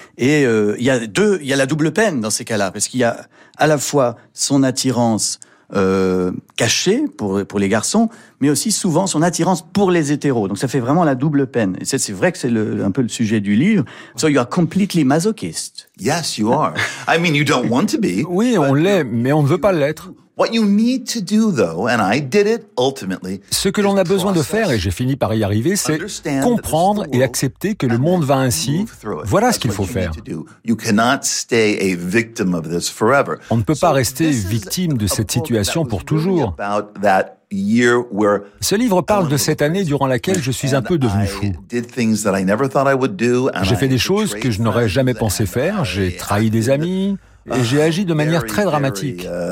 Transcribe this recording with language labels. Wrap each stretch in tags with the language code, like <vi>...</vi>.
<fr>Et il y a la double peine dans ces cas-là, parce qu'il y a à la fois son attirance cachée pour les garçons, mais aussi souvent son attirance pour les hétéros. Donc ça fait vraiment la double peine. Et c'est vrai que c'est un peu le sujet du livre.</fr> <en>So you are completely masochist. Yes, you are. I mean, you don't want to be.</en> <fr>Oui, on l'est, mais on ne veut pas l'être.</fr> <en>What you need to do, though, and I did it ultimately.</en> <fr>Ce que l'on a besoin de faire, et j'ai fini par y arriver, c'est comprendre et accepter que le monde va ainsi. Voilà ce qu'il faut faire.</fr> <en>You cannot stay a victim of this forever.</en> <fr>On ne peut pas rester victime de cette situation pour toujours. Ce livre parle de cette année durant laquelle je suis un peu devenu fou. J'ai fait des choses que je n'aurais jamais pensé faire. J'ai trahi des amis. Et j'ai agi de manière très dramatique.</fr>